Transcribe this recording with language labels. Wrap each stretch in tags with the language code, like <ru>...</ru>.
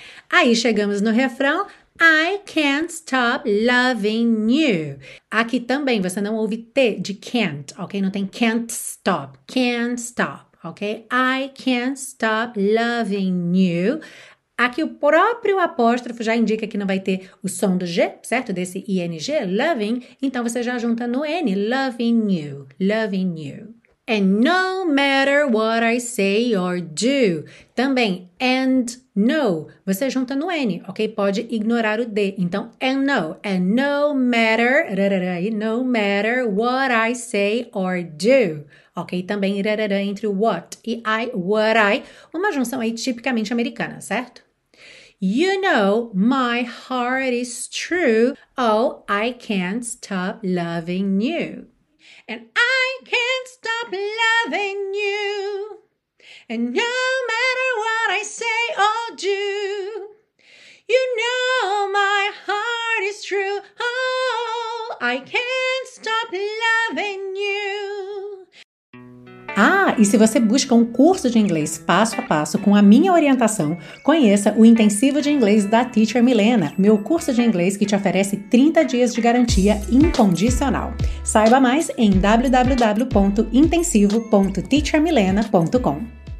<pt>Aí chegamos no refrão,</pt> <en>I can't stop loving you.</en> <pt>Aqui também você não ouve T de can't, ok? Não tem</pt> <en>can't stop,</en> <pt>ok?</pt> <en>I can't stop loving you.</en> <pt>Aqui o próprio apóstrofo já indica que não vai ter o som do G, certo? Desse ing, loving, então você já junta no N,</pt> <en>loving you. And no matter what I say or do.</en> <pt>Também,</pt> <en>and no,</en> <pt>você junta no N, ok? Pode ignorar o D. Então,</pt> <en>and no matter, no matter what I say or do. Ok?</en> <pt>Também, entre o what e I,</pt> <en>what I,</en> <pt>uma junção aí tipicamente americana, certo?</pt> <en>You know my heart is true. Oh, I can't stop loving you. And I can't stop loving you. And no matter what I say or do, you know my heart is true. Oh, I can't stop loving you.</en> <pt>Ah, e se você busca um curso de inglês passo a passo com a minha orientação, conheça o Intensivo de Inglês da Teacher Milena, meu curso de inglês que te oferece 30 dias de garantia incondicional. Saiba mais em www.intensivo.teachermilena.com.</pt>